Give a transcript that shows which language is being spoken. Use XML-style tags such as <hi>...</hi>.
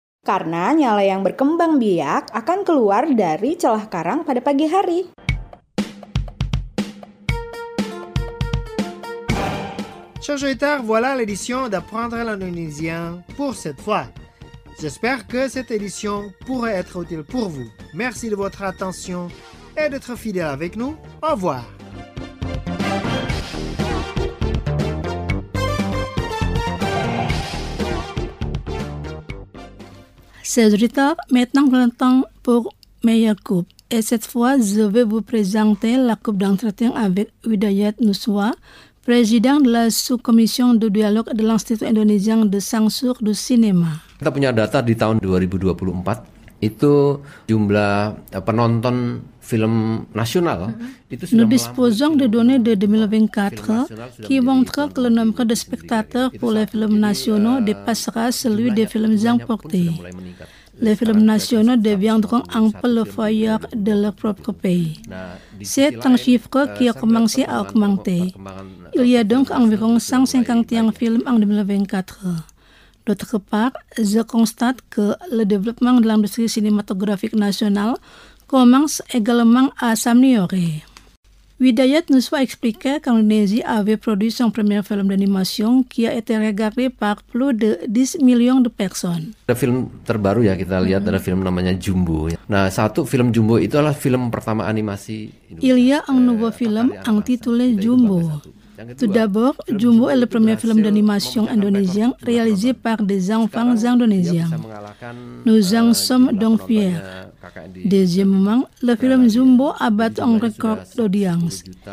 <id>Karena nyale yang berkembang biak akan keluar dari celah karang pada pagi hari.</id> <fr>Chers auditeurs, voilà l'édition d'apprendre l'indonésien pour cette fois. J'espère que cette édition pourrait être utile pour vous. Merci de votre attention et d'être fidèle avec nous. Au revoir. Chers auditeurs, maintenant le temps pour meilleure coupe. Et cette fois, je vais vous présenter la coupe d'entretien avec Widayat Nuswa, président de la sous-commission de dialogue de l'Institut indonésien de sensor du cinéma.</fr> <id>Kita punya data di tahun 2024 itu jumlah penonton film nasional itu sudah</id> <fr>nous disposons de données de 2024 qui montrent que le nombre de spectateurs pour les films nationaux dépassera celui des films importés. Les films nationaux deviendront un peu le foyer de leur propre pays. C'est un chiffre qui a commencé à augmenter. Il y a donc environ 151 films en 2024. D'autre part, je constate que le développement de l'industrie cinématographique nationale commence également à s'améliorer. Widayat Nuswa expliquait qu'Indonésie avait produit son premier film d'animation qui a été regardé par plus de 10 millions de personnes.</fr> <id>Ada film terbaru ya, kita lihat ada film namanya Jumbo. Nah, satu film Jumbo itu adalah film pertama animasi Indonesia.</id> <fr>Il y a un nouveau film intitulé Jumbo. Tout d'abord, Jumbo est le premier film d'animation indonésien réalisé par des enfants indonésiens. Nous en sommes donc fiers. Deuxièmement, le film Jumbo a battu un record d'audience.</fr>